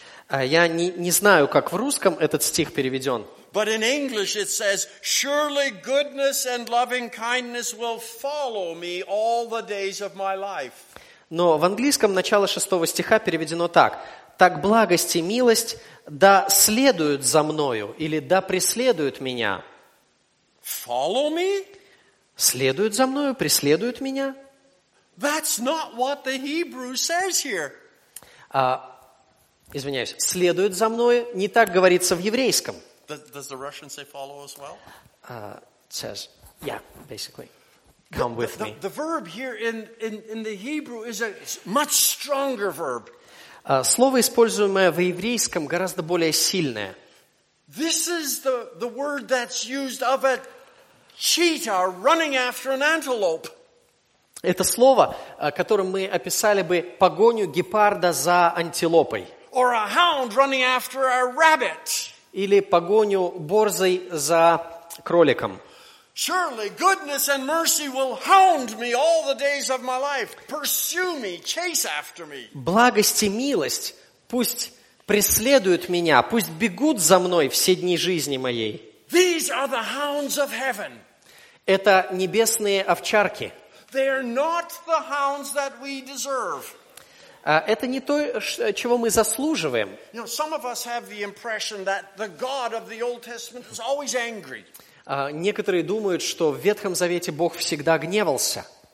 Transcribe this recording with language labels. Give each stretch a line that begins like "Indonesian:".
Russian: Я не знаю, как в русском этот стих переведен.
English: But in English it says, surely goodness and loving kindness will follow me all the days of my life.
Russian: Но в английском начало шестого стиха переведено так. Так благость и милость да следуют за мною или да преследуют меня.
English: Follow me?
Russian: Следуют за мною, преследуют меня.
English: That's not what the Hebrew says here.
Russian: Извиняюсь, следуют за мною, не так говорится в еврейском.
English: Does the Russian say follow as well? Says, yeah, basically. Come with me. The verb here in the Hebrew is a much stronger verb.
Russian: Слово, используемое в еврейском, гораздо более сильное.
English: This is the word that's used of a cheetah running after an antelope.
Russian: Это слово, которым мы описали бы погоню гепарда за антилопой.
English: Or a hound running after a rabbit.
Russian: Или погоню борзой за кроликом.
English: Surely goodness and mercy will hound me all the days of my life. Pursue me, chase after me.
Russian: Благость и милость пусть преследуют меня, пусть бегут за мной все дни жизни моей.
English: These are the hounds of heaven.
Russian: Это небесные овчарки.
English: They are not the hounds that we deserve.
Russian: Это не то, чего мы заслуживаем.
English: You know, some of us have the impression that the God of the Old Testament is always angry.
Russian: Некоторые думают, что в Ветхом Завете Бог всегда гневался.